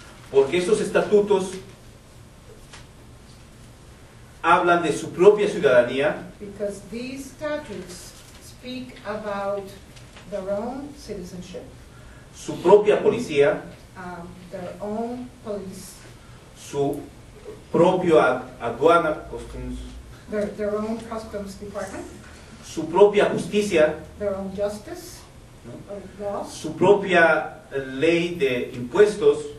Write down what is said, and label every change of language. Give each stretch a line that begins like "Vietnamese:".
Spanish: Porque esos estatutos hablan de su propia ciudadanía.
English: Because these statutes speak about their own citizenship.
Spanish: Su propia policía.
English: Their own police.
Spanish: Su propio aduana customs.
English: Their own customs department.
Spanish: Su propia justicia.
English: Their own justice.
Spanish: No? Su propia ley de impuestos.